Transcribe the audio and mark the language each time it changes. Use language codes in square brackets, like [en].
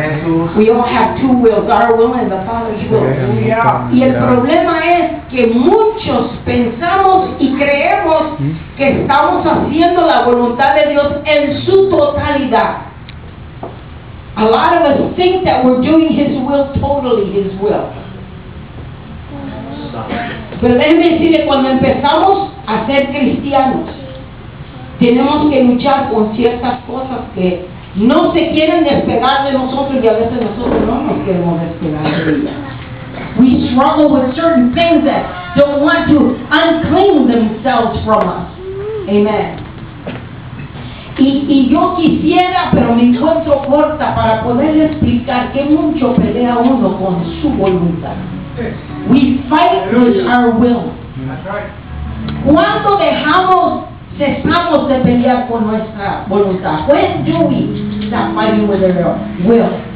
[es] a Jesús. [en] We all have two wills, our will and the Father's will. [es] Y el problema es que muchos pensamos y creemos que estamos haciendo la voluntad de Dios en su totalidad. [en] A lot of us think that we're doing His will totally, His will. [es] Pero déjenme decirle, cuando empezamos a ser cristianos, tenemos que luchar con ciertas cosas que no se quieren despegar de nosotros, y a veces nosotros no nos queremos despegar de ellas. [en] We struggle with certain things that don't want to unclean themselves from us. Amen. [es] Y yo quisiera, pero me encuentro corta para poderle explicar que mucho pelea uno con su voluntad. [en] We fight with our will. [es] ¿Cuándo dejamos, cesamos de pelear con nuestra voluntad? [en] When do we stop fighting with our will?